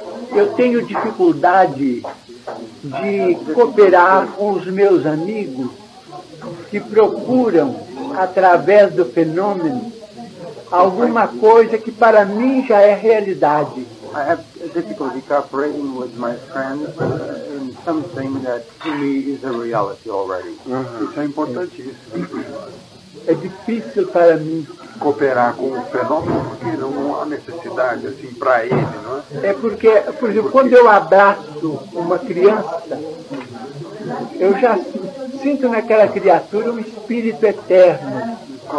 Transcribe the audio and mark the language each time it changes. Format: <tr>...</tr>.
<pt>Eu tenho dificuldade de cooperar com os meus amigos que procuram, através do fenômeno, alguma coisa que para mim já é realidade.</pt> <en>I have difficulty cooperating with my friends in something that to me is a reality already.</en> <pt>Isso é importante. É difícil para mim cooperar com o fenômeno porque não há necessidade assim para ele, não é? É porque, por exemplo, quando eu abraço uma criança, eu já sinto naquela criatura um espírito eterno.</pt>